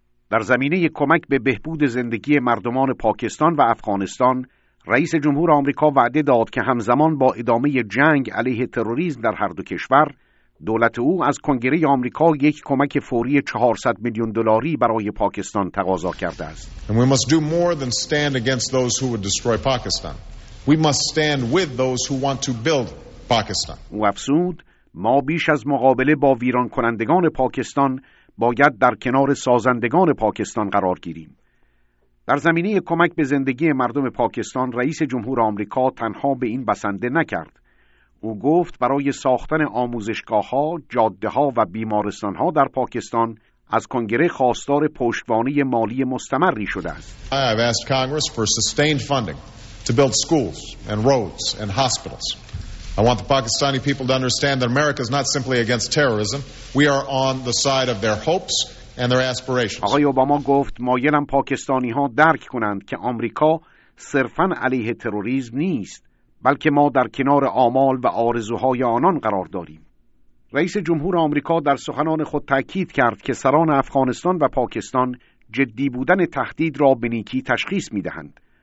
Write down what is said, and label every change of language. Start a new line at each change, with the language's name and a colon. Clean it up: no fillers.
Persian: در زمینه کمک به بهبود زندگی مردمان پاکستان و افغانستان، رئیس جمهور آمریکا وعده داد که همزمان با ادامه جنگ علیه تروریسم در هر دو کشور، دولت او از کنگره آمریکا یک کمک فوری 400 میلیون دلاری برای پاکستان تقاضا کرده است.
English: And we must do more than stand against those who would destroy Pakistan. We must stand with those who want to build Pakistan.
Persian: او افزود ما بیش از مقابله با ویران کنندگان پاکستان باید در کنار سازندگان پاکستان قرار گیریم. در زمینه کمک به زندگی مردم پاکستان، رئیس جمهور آمریکا تنها به این بسنده نکرد. او گفت برای ساختن آموزشگاه‌ها، جاده‌ها و بیمارستان‌ها در پاکستان از کنگره خواستار پشتوانه مالی مستمری شده است.
English: I have asked Congress for sustained funding to build schools and roads and hospitals. I want the Pakistani people to understand that America is not simply against terrorism. We are on the side of their hopes and their aspirations.
Persian: آقای اوباما گفت مایلم پاکستانی‌ها درک کنند که آمریکا صرفاً علیه تروریسم نیست، بلکه ما در کنار آمال و آرزوهای آنان قرار داریم. رئیس جمهور آمریکا در سخنان خود تأکید کرد که سران افغانستان و پاکستان جدی بودن تهدید را به نیکی تشخیص می‌دهند.